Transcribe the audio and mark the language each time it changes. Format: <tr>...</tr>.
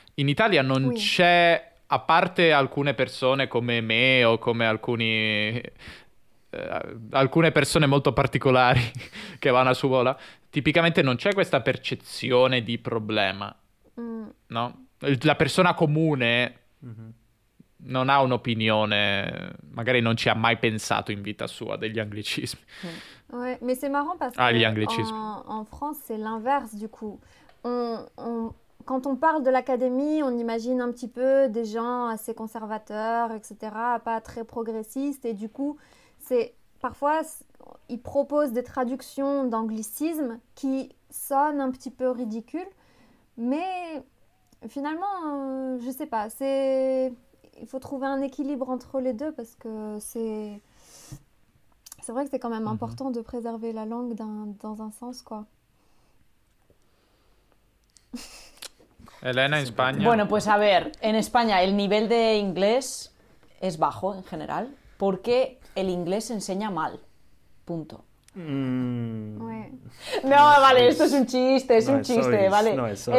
<it>In Italia non c'è, a parte alcune persone come me o come alcune persone molto particolari che vanno a scuola, tipicamente non c'è questa percezione di problema, no? La persona comune non ha un'opinione, magari non ci ha mai pensato in vita sua degli anglicismi.</it> <fr>Ouais, mais c'est marrant parce que en France, c'est l'inverse du coup. Quand on parle de l'académie, on imagine un petit peu des gens assez conservateurs, etc., pas très progressistes, et du coup, c'est parfois ils proposent des traductions d'anglicisme qui sonnent un petit peu ridicules, mais finalement, je sais pas, il faut trouver un équilibre entre les deux parce que c'est vrai que c'est quand même important de préserver la langue dans un sens, quoi.</fr> <es>Elena, en España. Bueno, pues a ver, en España el nivel de inglés es bajo en general porque el inglés se enseña mal, punto. No, vale, esto es un chiste, vale.</es>